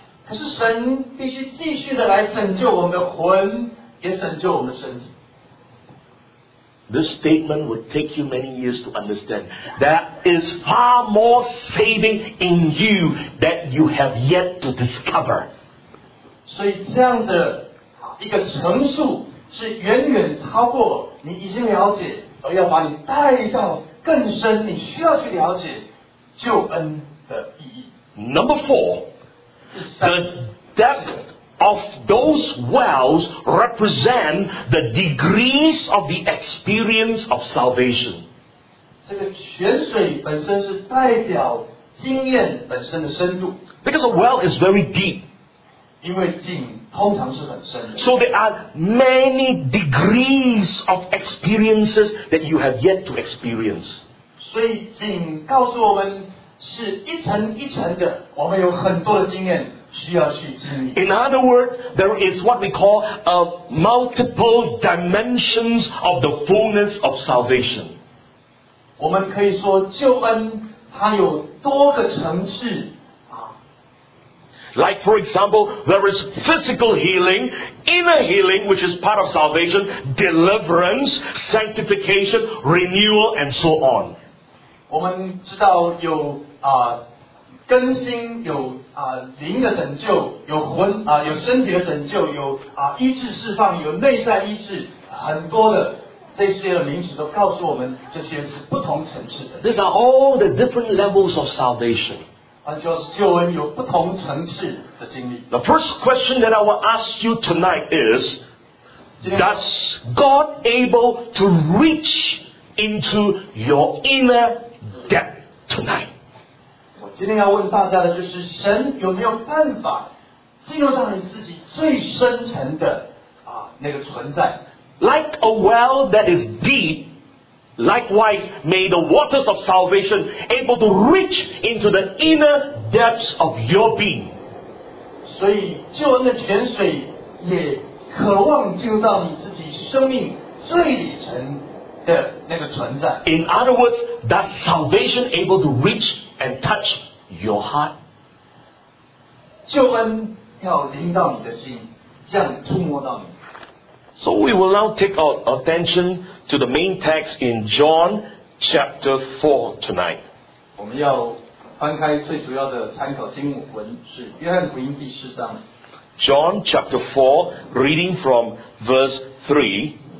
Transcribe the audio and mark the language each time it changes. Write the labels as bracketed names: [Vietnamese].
[Chinese] 可是神必须继续的来拯救我们的魂，也拯救我们的身体。 [English] This statement would take you many years to understand. There is far more saving in you that you have yet to discover. [Chinese] 所以这样的一个陈述是远远超过你已经了解，而要把你带到更深，你需要去了解救恩的意义。 [English] Number four, the depth of those wells represent the degrees of the experience of salvation. [Chinese] 这个泉水本身是代表经验本身的深度。 [English] Because a well is very deep. [Chinese] 因为井通常是很深的。 [English] So there are many degrees of experiences that you have yet to experience. [Chinese] 所以井告诉我们是一层一层的，我们有很多的经验需要去经历。 [English] In other words, there is what we call a multiple dimensions of the fullness of salvation. [Chinese] 我们可以说救恩它有多个层次。 [English] Like for example, there is physical healing, inner healing, which is part of salvation, deliverance, sanctification, renewal, and so on. [Chinese] 我们知道有更新，有灵的拯救，有魂有身体的拯救，有医治释放，有内在医治，很多的这些的名词都告诉我们，这些是不同层次的。 [English] These are all the different levels of salvation. [Chinese] 就是救恩有不同层次的经历。 [English] The first question that I will ask you tonight is, does God able to reach into your inner depth tonight? [Chinese] 我今天要问大家的就是，神有没有办法进入到你自己最深层的那个存在？ [English] Like a well that is deep. Likewise, may the waters of salvation able to reach into the inner depths of your being. [Chinese] 所以救恩的泉水也渴望进入到你自己生命最底层的那个存在。 [English] In other words, does salvation able to reach and touch your heart? [Chinese] 救恩要临到你的心，这样触摸到你。 [English] So we will now take our attention to the main text in John chapter 4 tonight. [Chinese] 我们要翻开最主要的参考经文是约翰福音第四章。 [English] John chapter 4, reading from verse 3.